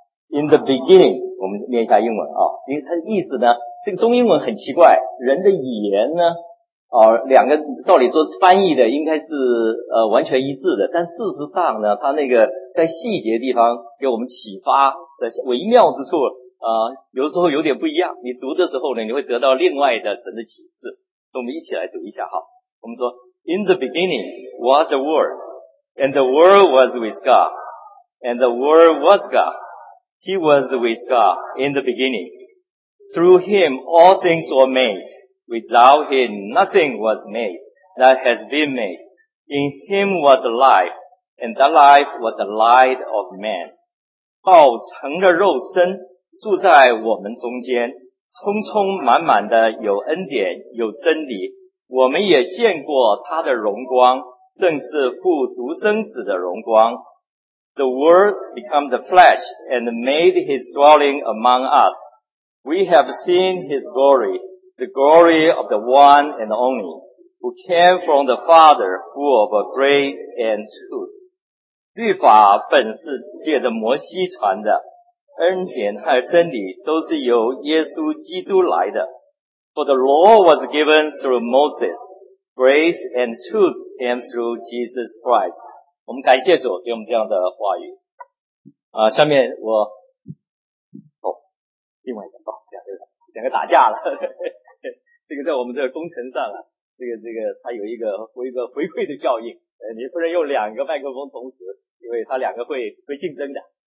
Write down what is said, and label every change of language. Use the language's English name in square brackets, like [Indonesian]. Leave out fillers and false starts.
[English] In the beginning， [Chinese] 我们念一下英文啊，因为它的意思呢，这个中英文很奇怪，人的语言呢两个照理说是翻译的应该是完全一致的，但事实上呢它那个在细节的地方给我们启发的微妙之处有时候有点不一样，你读的时候呢你会得到另外的神的启示，所以我们一起来读一下哈。我们说 [English] In the beginning was the word and the word was with God and the word was God He was with God in the beginning Through him all things were made Without him nothing was made that has been made In him was life and that life was the light of man [Chinese] 道成了肉身住在我们中间，充充满满的有恩典，有真理。我们也见过他的荣光，正是父独生子的荣光。 [English] The Word became the flesh and made his dwelling among us. We have seen his glory, the glory of the one and only, who came from the Father, full of grace and truth. [Chinese] 律法本是借着摩西传的，恩典和真理都是由耶稣基督来的。 [English] For the law was given through Moses, grace and truth came through Jesus Christ. [Chinese] 我们感谢主给我们这样的话语。下面我另外一个吧，两个打架了。这个在我们这个工程上啊，这个它有一个回馈的效应。你不能用两个麦克风同时，因为它两个会竞争的。